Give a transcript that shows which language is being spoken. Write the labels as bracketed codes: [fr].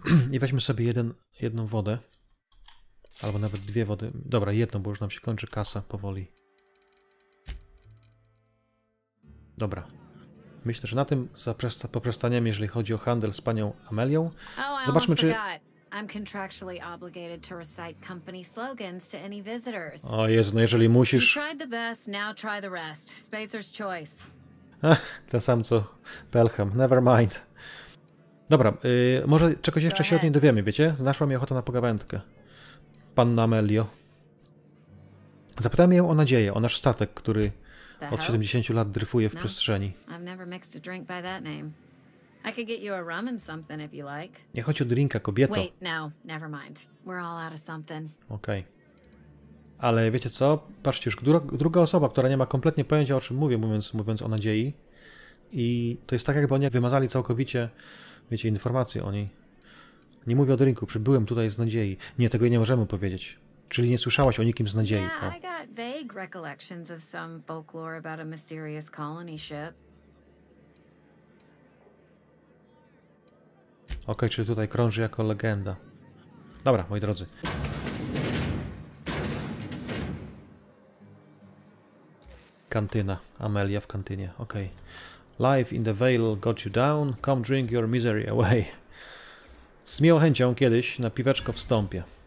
[pl] I weźmy sobie jedną wodę. Albo nawet dwie wody. Dobra, jedną, bo już nam się kończy kasa powoli. Dobra. Myślę, że na tym poprzestaniemy, jeżeli chodzi o handel z panią Amelią. Zobaczmy, czy... [en] I'm contractually obligated to recite company slogans to any visitors. [pl] O Jezu, no jeżeli musisz... [en] You tried the best, now try the rest. [pl] Spacer's choice. Ten sam co Pelham. [en] Never mind. [pl] Dobra, może czegoś jeszcze się od niej dowiemy, wiecie? Znaszła mi ochota na pogawędkę. Panna Amelio. Zapytałem ją o nadzieję, o nasz statek, który od 70 lat dryfuje w przestrzeni. [en] I've never mixed a drink by that name. I could get you a rum and something if you like. [pl] Nie chodzi o drinka, kobieto. [en] Wait, no, never mind. We're all out of something. [pl] Okej. Ale wiecie co? Patrzcie, już druga osoba, która nie ma kompletnie pojęcia, o czym mówię, mówiąc o nadziei. I to jest tak, jakby oni wymazali całkowicie, wiecie, informacje o niej. Nie mówię o drinku, przybyłem tutaj z nadziei. Nie, tego jej nie możemy powiedzieć. Czyli nie słyszałaś o nikim z nadziei. [en] Yeah, I got vague recollections of some folklore about a mysterious colony ship. [pl] Okej, czyli tutaj krąży jako legenda. Dobra, moi drodzy. Kantyna. Amelia w kantynie. Okej. [en] Life in the Vale got you down. Come drink your misery away. [pl] Z miłą chęcią kiedyś na piweczko wstąpię.